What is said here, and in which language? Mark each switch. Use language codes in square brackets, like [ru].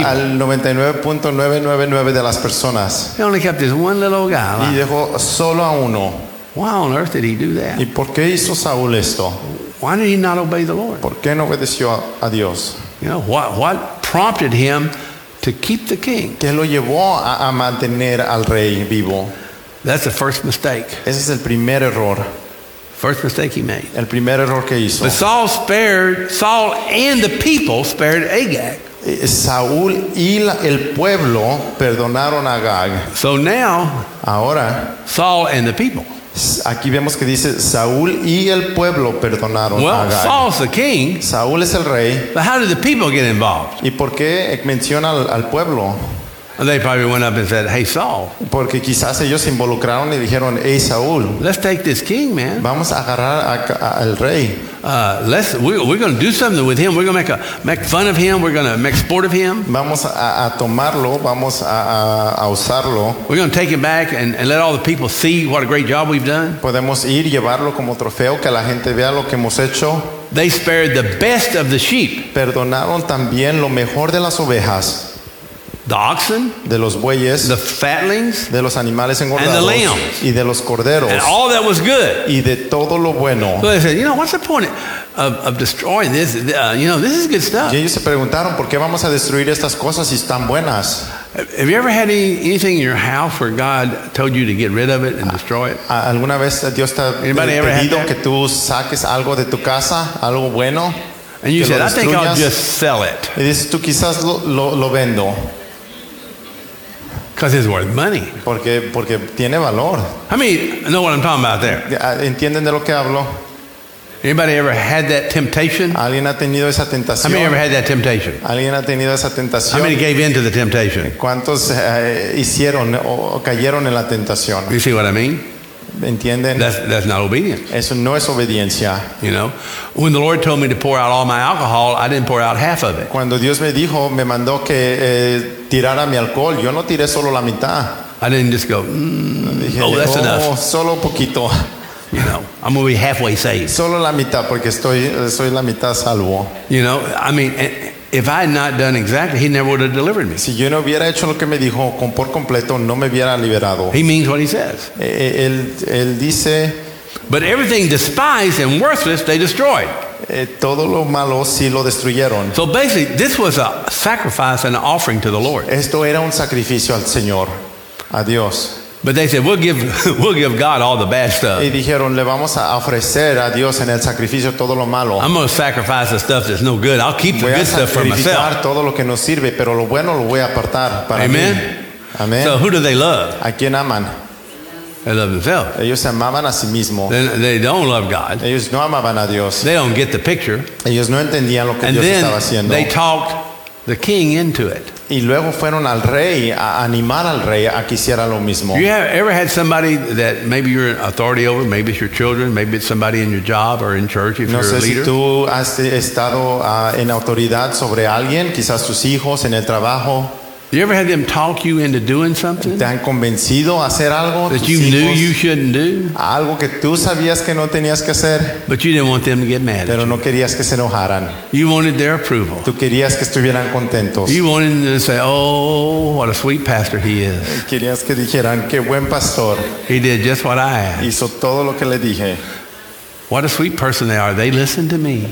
[es] Él mató al 99.999 de las personas. [en] He only kept this one little guy. [es] Y dejó solo a uno. [en] Why on earth did he do that? [es] ¿Y por qué hizo Saúl esto? [en] Why did he not obey the Lord? [es] ¿Por qué no obedeció a Dios? [en] You know what prompted him to keep the king? [es] ¿Qué lo llevó a mantener al rey vivo? [en] That's the first mistake. [es] Ese es el primer error. [en] First mistake he made. [es] El primer error que hizo. [en] But Saul and the people spared Agag. [es] Saúl y el pueblo perdonaron a Agag. [en] So now, [es] ahora, [en] Saul and the people. [es] Aquí vemos que dice Saúl y el pueblo perdonaron [en] well, [es] a Agag. [en] Saul's the king. [es] Saúl es el rey. [en] But how did the people get involved? [es] ¿Y por qué menciona al pueblo? [en] They probably went up and said, "Hey, Saul." [es] Porque quizás ellos se involucraron y dijeron, "Hey, Saúl." [en] Let's take this king, man. [es] Vamos a agarrar al rey. [en] We're going to do something with him. We're going to make fun of him. We're going to make sport of him. [es] Vamos a tomarlo. Vamos a usarlo. [en] We're going to take him back and let all the people see what a great job we've done. [es] Podemos ir llevarlo como trofeo que la gente vea lo que hemos hecho. [en] They spared the best of the sheep. [es] Perdonaron también lo mejor de las ovejas. [en] The oxen, [es] de los bueyes, [en] the fatlings, [es] de los animales engordados, [en] and the lambs, [es] y de los corderos, [en] and all that was good, [es] y de todo lo bueno. [en] So they said, you know, what's the point of destroying this? You know, this is good stuff. [es] Y ellos se preguntaron, ¿por qué vamos a destruir estas cosas si están buenas? [en] Have you ever had anything in your house where God told you to get rid of it and destroy it? [es] ¿Alguna vez Dios te ha pedido que tú saques algo de tu casa, algo bueno? [en] And you said, I think I'll just sell it. [es] Y dices, tú quizás lo vendo. [en] Because it's worth money. [es] Porque tiene valor. [en] I mean, know what I'm talking about there. [es] ¿Entienden de lo que hablo? [en] Anybody ever had that temptation? [es] ¿Alguien ha tenido esa tentación? [en] How many ever had that temptation? [es] ¿Alguien ha tenido esa tentación? [en] How many gave in to the temptation? [es] ¿Cuántos hicieron o cayeron en la tentación? [en] You see what I mean? [es] ¿Entienden? [en] That's not obedience. [es] Eso no es obediencia. [en] You know, when the Lord told me to pour out all my alcohol, I didn't pour out half of it. [es] Cuando Dios me dijo, me mandó que tirara mi alcohol, yo no tiré solo la mitad. [en] I didn't just go, that's enough. [es] Solo poquito. [en] You know, I'm going to be halfway saved. [es] Solo la mitad, porque soy la mitad salvo. [en] You know, I mean, if I had not done exactly, he never would have delivered me. [es] Si yo no hubiera hecho lo que me dijo por completo, no me hubiera liberado. [en] He means what he says. [es] Él dice, [en] but everything despised and worthless they destroyed. [es] Todo lo malo sí lo destruyeron. [en] So basically, this was a sacrifice and an offering to the Lord. [es] Esto era un sacrificio al Señor, a Dios. [en] But they said, we'll give God all the bad stuff. [es] Y dijeron, le vamos a ofrecer a Dios en el sacrificio todo lo malo. [en] I'm going to sacrifice the stuff that's no good. I'll keep [es] voy [en] the good stuff for myself. [es] Voy a sacrificar todo lo que no sirve, pero lo bueno lo voy a apartar para [en] Amen. [es] Mí. Amen. [en] So who do they love? [es] ¿A quién aman? [en] They love themselves. [es] Ellos se amaban a sí mismos. [en] They don't love God. [es] Ellos no amaban a Dios. [en] They don't get the picture. [es] Ellos no entendían lo que [en] and [es] Dios estaba haciendo. [en] And then they talked the king into it. [es] Y luego fueron al rey a animar al rey a que hiciera lo mismo. [en] You have ever had somebody that maybe you're an authority over, maybe it's your children, maybe it's somebody in your job or in church if [es] no [en] you're [es] sé [en] a leader. [es] Si tú has estado en autoridad sobre alguien, quizás tus hijos en el trabajo. [en] You ever had them talk you into doing something? [es] ¿Te han convencido a hacer algo [en] that you knew you shouldn't do? [es] Algo que tú sabías que no tenías que hacer. [en] But you didn't want them to get mad. [es] Pero [en] at [es] no [en] you. [es] Querías que se enojaran. [en] You wanted their approval. [es] Tú querías que estuvieran contentos. [en] You wanted them to say, "Oh, what a sweet pastor he is." [es] Querías que dijeran, "Qué buen pastor." [en] He did just what I asked. [es] Hizo todo lo que le dije. [en] What a sweet person they are. They listened to me.